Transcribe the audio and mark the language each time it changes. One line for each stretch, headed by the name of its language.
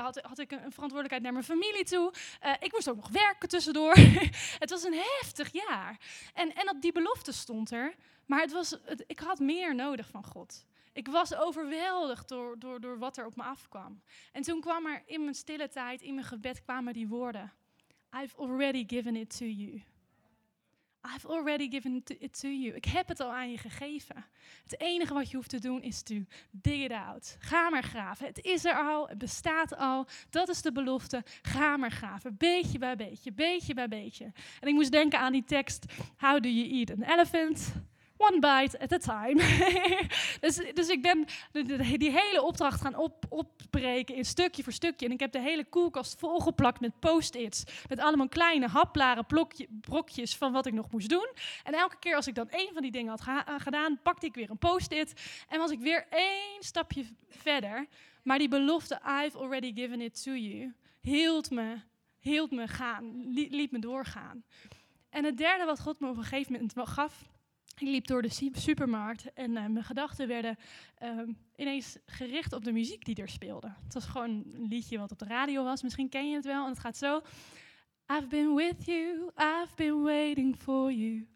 Dutch: Had ik een verantwoordelijkheid naar mijn familie toe? Ik moest ook nog werken tussendoor. Het was een heftig jaar. En op die belofte stond er. Maar ik had meer nodig van God. Ik was overweldigd door wat er op me afkwam. En toen kwam er in mijn stille tijd, in mijn gebed, kwamen die woorden.
English: I've already given it to you. I've already given it to you.
Dutch: Ik heb het al aan je gegeven. Het enige wat je hoeft te doen is
English: to dig it out.
Dutch: Ga maar graven. Het is er al. Het bestaat al. Dat is de belofte. Ga maar graven. Beetje bij beetje. Beetje bij beetje. En ik moest denken aan die tekst.
English: How do you eat an elephant? One bite at a time.
Dutch: dus ik ben die hele opdracht gaan opbreken in stukje voor stukje. En ik heb de hele koelkast volgeplakt met post-its. Met allemaal kleine haplare brokjes van wat ik nog moest doen. En elke keer als ik dan één van die dingen had gedaan, pakte ik weer een post-it. En was ik weer één stapje verder. Maar die belofte,
English: I've already given it to you,
Dutch: hield me gaan, liet me doorgaan. En het derde wat God me op een gegeven moment gaf. Ik liep door de supermarkt en mijn gedachten werden ineens gericht op de muziek die er speelde. Het was gewoon een liedje wat op de radio was. Misschien ken je het wel en het gaat zo.
English: I've been with you, I've been waiting for you.